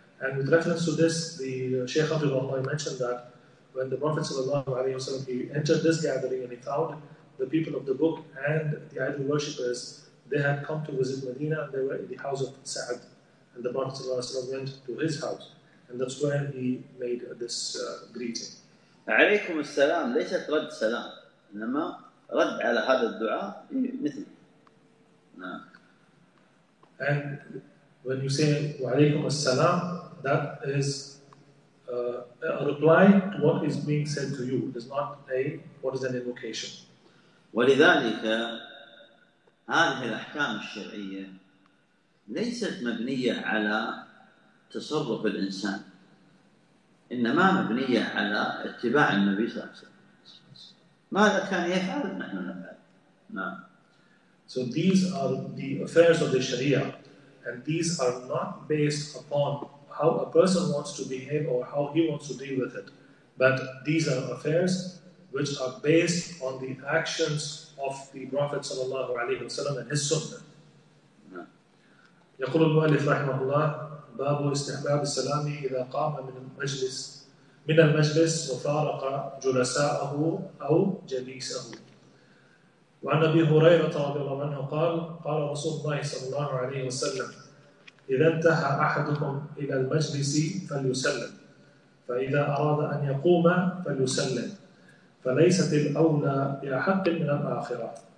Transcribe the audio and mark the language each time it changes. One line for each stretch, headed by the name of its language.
English: And with reference to this, the Shaykh Abdullah mentioned that when the Prophet sallallahu alayhi wa sallam, he entered this gathering and he found the people of the book and the idol worshippers, they had come to visit Medina, they were in the house of Sa'ad and the Prophet ﷺ went to his house, and that's where he made this greeting.
Arabic: عليكم السلام ليست رد سلام إنما رد على هذا الدعاء مثل.
English: And when you say وعليكم السلام, that is a reply to what is being said to you. It is not a what is an invocation.
Arabic: ولذلك هذه الأحكام الشرعية ليست مبنية على تصرف الإنسان. إنما مبنية على اتباع النبي صلى الله عليه وسلم. ماذا كان يفعل نحن نفعل؟ نعم.
English: So these are the affairs of the Sharia, and these are not based upon how a person wants to behave or how he wants to deal with it, but these are affairs which are based on the actions of the Prophet صلى الله عليه وسلم and his Sunnah.
Arabic: يقول المؤلف رحمه الله باب استحباب السلام إذا قام من المجلس وفارق جلساءه أو جليسه. وعن أبي هريرة رضي الله عنه قال قال رسول الله صلى الله عليه وسلم إذا انتهى أحدكم إلى المجلس فليسلم فإذا أراد أن يقوم فليسلم فليست الأولى بأحق من الآخرة.